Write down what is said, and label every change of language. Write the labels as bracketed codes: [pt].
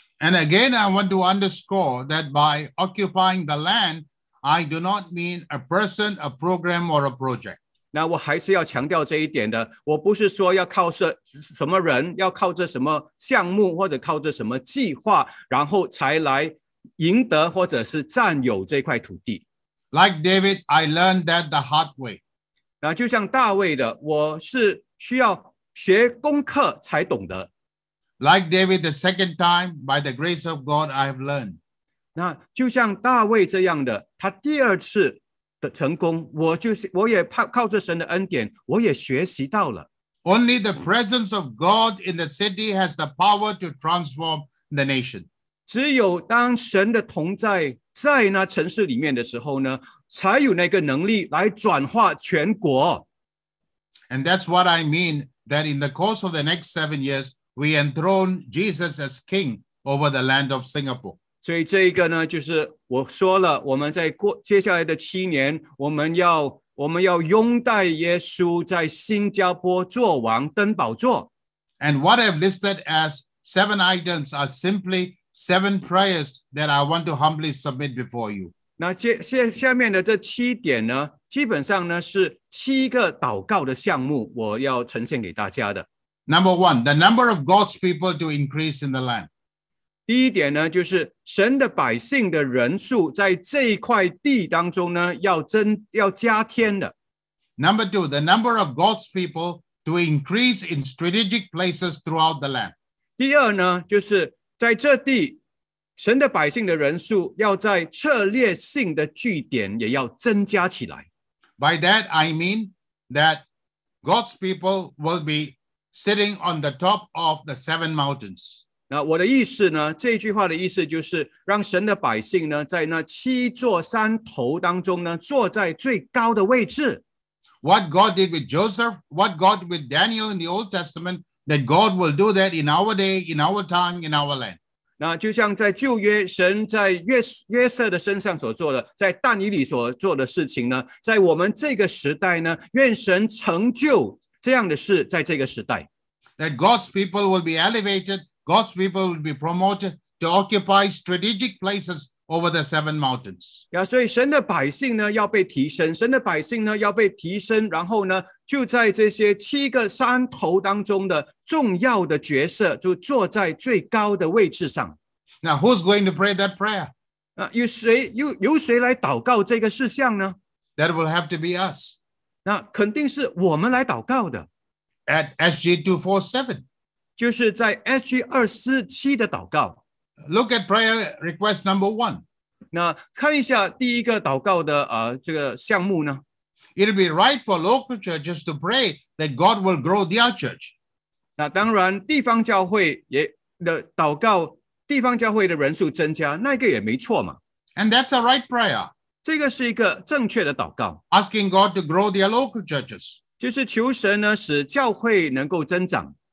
[en] And again, I want to underscore that by occupying the land, I do not mean a person, a program, or a project. [zh] 那我还是要强调这一点的，我不是说要靠着什么人，要靠着什么项目，或者靠着什么计划，然后才来赢得或者是占有这块土地。 [en] Like David, I learned that the hard way. [zh] 那就像大卫的，我是需要学功课才懂得。 [en] Like David, the second time, by the grace of God, I have learned. [zh] 那就像大卫这样的，他第二次成功，我就是我也靠着神的恩典，我也学习到了。 [en] Only the presence of God in the city has the power to transform the nation. [zh] 只有当神的同在在那城市里面的时候呢，才有那个能力来转化全国。 [en] And that's what I mean that in the course of the next 7 years, we enthrone Jesus as king over the land of Singapore. [zh] 所以这一个呢，就是我说了，我们在过接下来的七年，我们要拥戴耶稣在新加坡做王登宝座。 [en] And what I've listed as seven items are simply seven prayers that I want to humbly submit before you. [zh] 那下面的这七点呢，基本上呢是七个祷告的项目，我要呈现给大家的。 [en] Number one, the number of God's people to increase in the land. [zh] 第一点呢，就是神的百姓的人数在这一块地当中呢，要加添的。 [en] Number two, the number of God's people to increase in strategic places throughout the land. [zh] 第二呢，就是在这地，神的百姓的人数要在策略性的据点也要增加起来。 [en] By that, I mean that God's people will be sitting on the top of the seven mountains. [zh] 我的意思呢，这句话的意思就是让神的百姓呢，在那七座山头当中呢，坐在最高的位置。 [en] What God did with Joseph, what God did with Daniel in the Old Testament, that God will do that in our day, in our time, in our land. [zh] 那就像在旧约，神在约瑟的身上所做的，在但以理所做的事情呢，在我们这个时代呢，愿神成就这样的事，在这个时代。 [en] That God's people will be elevated. God's people will be promoted to occupy strategic places over the seven mountains. [zh] Yeah, 所以神的百姓呢要被提升，神的百姓呢要被提升，然后呢就在这些七个山头当中的重要的角色，就坐在最高的位置上。 [en] Now, who's going to pray that prayer? [zh] 由谁来祷告这个事项呢？ [en] That will have to be us. [zh] 那肯定是我们来祷告的。 [en] At SG247. [zh] 就是在 SG247 的祷告。 [en] Look at prayer request number one. [zh] 那看一下第一个祷告的这个项目呢。 [en] It'll be right for local churches to pray that God will grow their church. [zh] 那当然地方教会也的祷告，地方教会的人数增加，那个也没错嘛。 [en] And that's a right prayer. [zh] 这个是一个正确的祷告。 [en] Asking God to grow their local churches. [zh] 就是求神呢使教会能够增长。